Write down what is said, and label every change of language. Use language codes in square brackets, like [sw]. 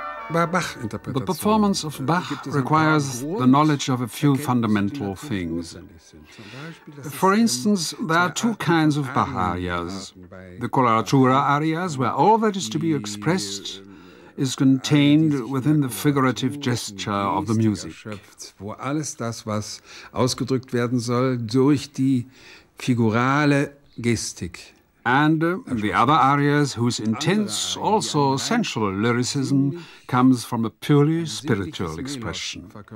[en] The performance of Bach requires the knowledge of a few fundamental things. For instance, there are two kinds of Bach arias. The coloratura arias, where all that is to be expressed is contained within the figurative gesture of the music. [de] Wo alles das, was ausgedrückt werden soll, durch die figurale Gestik. [en] And the other arias, whose intense, also sensual lyricism, comes from a purely spiritual expression.